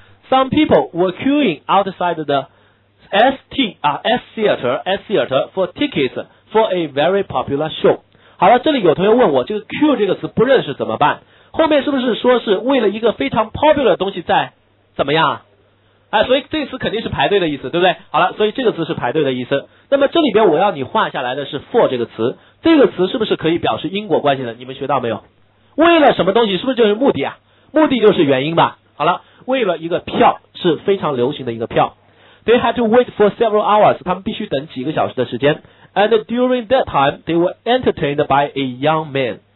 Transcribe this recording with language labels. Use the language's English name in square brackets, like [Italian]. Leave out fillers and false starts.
[English] Some people were queuing outside the S theater for tickets for a very popular show. [Chinese] 好了，这里有同学问我，这个 queue 这个词不认识怎么办？后面是不是说是为了一个非常 popular 的东西在怎么样？所以这次肯定是排队的意思，对不对？好了，所以这个词是排队的意思。那么这里边我要你画下来的是 for 这个词，这个词是不是可以表示因果关系的？你们学到没有？为了什么东西，是不是就是目的啊？目的就是原因吧。好了，为了一个票是非常流行的一个票。 [English] They had to wait for several hours. [Chinese] 他们必须等几个小时的时间。 [English] And during that time, they were entertained by a young man.